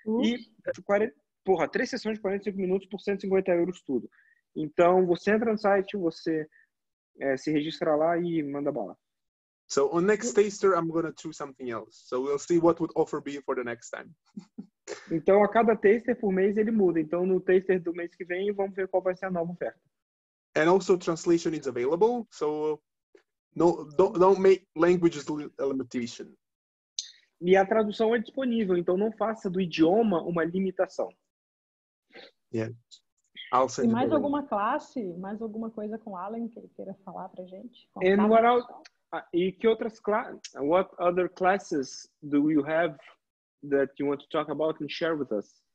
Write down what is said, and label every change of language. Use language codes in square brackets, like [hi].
[pt] E, 3 sessões de 45 minutos por 150 euros tudo. Então, você entra no site, você se registra lá e manda bala. [en] So, on next taster, I'm going to choose something else. So, we'll see what would offer be for the next time. [pt] Então, a cada taster por mês, ele muda. Então, no taster do mês que vem, vamos ver qual vai ser a nova oferta. [en] And also translation is available, so no, don't make languages a limitation. [pt] E a tradução é disponível, então não faça do idioma uma limitação. [en] Yeah. I'll send [pt] e mais alguma classe, mais alguma coisa com Alan que ele queira falar pra gente? [en] And what else? [pt] E que outras [en] what other classes do you have that you want to talk about and share with us?